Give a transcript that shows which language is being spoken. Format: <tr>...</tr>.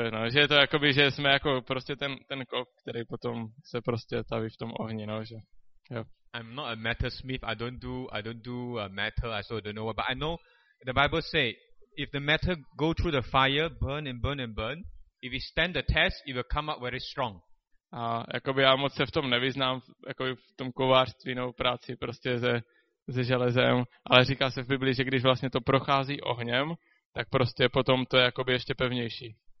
<cs>že je to jakoby, že jsme jako prostě ten kov, který potom se prostě taví v tom ohni, no, že jo.</cs> <en>I'm not a metalsmith. I don't do metal. I don't know what, but I know the Bible say if the metal go through the fire, burn and burn and burn, if it stand the test, it will come out very strong.</en> <cs>A jakoby já moc se v tom nevyznám, jakoby v tom kovářství nebo práci prostě ze železem, ale říká se v Biblii, že když vlastně to prochází ohněm, tak prostě potom to je jakoby ještě pevnější.</cs>